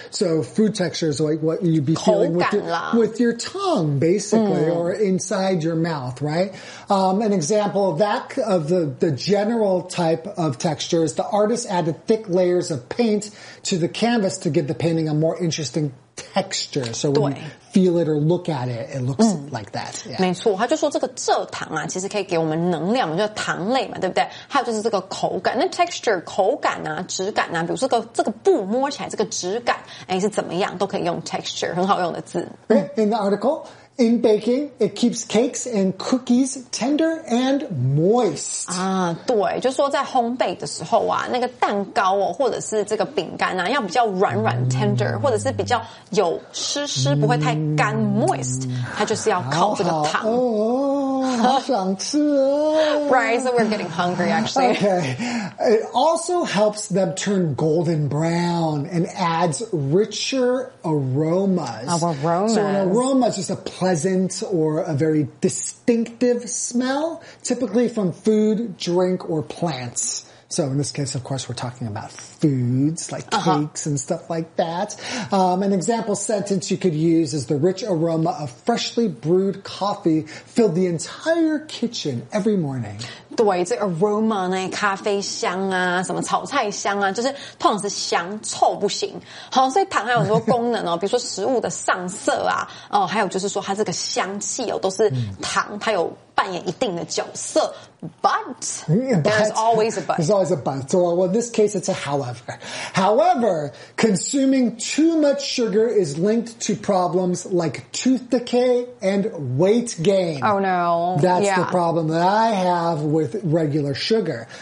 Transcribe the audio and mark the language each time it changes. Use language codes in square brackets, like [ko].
[en] So food texture is like what you'd be feeling with your tongue, basically, or inside your mouth, right? An example of that, of the general type of texture, is the artist added thick layers of paint to the canvas to give the painting a more interesting texture. So when you feel it or look at it, it looks like that. Yeah. [zh] 没错，他就说这个蔗糖啊， 其实可以给我们能量嘛， 就是糖类嘛， 对不对？还有就是这个口感， 那texture口感啊， 质感啊， 比如说这个布摸起来， 这个质感， 是怎么样， 都可以用texture， 很好用的字。 [en] In the article, in baking, it keeps cakes and cookies tender and moist. [zh] 对，就说在烘焙的时候啊， 那个蛋糕哦， 或者是这个饼干啊， 要比较软软， tender， 或者是比较有湿湿， 不会太干， moist， 它就是要靠这个糖。好想吃哦。 [en] Right, so we're getting hungry, actually. Okay. It also helps them turn golden brown and adds richer aromas. Aromas. So an aroma is just a pleasant or a very distinctive smell, typically from food, drink, or plants. So in this case, of course, we're talking about foods like cakes and stuff like that. An example sentence you could use is the rich aroma of freshly brewed coffee filled the entire kitchen every morning. [zh] 对，这 aroma 呢，咖啡香啊，什么炒菜香啊，就是通常是香，臭不行。好，所以糖还有很多功能哦，比如说食物的上色啊，哦，还有就是说它这个香气哦，都是糖，它有扮演一定的角色。 [en] But there's always a but. So, well, in this case, it's a however. However, consuming too much sugar is linked to problems like tooth decay and weight gain. Oh, no. That's the problem that I have with regular sugar.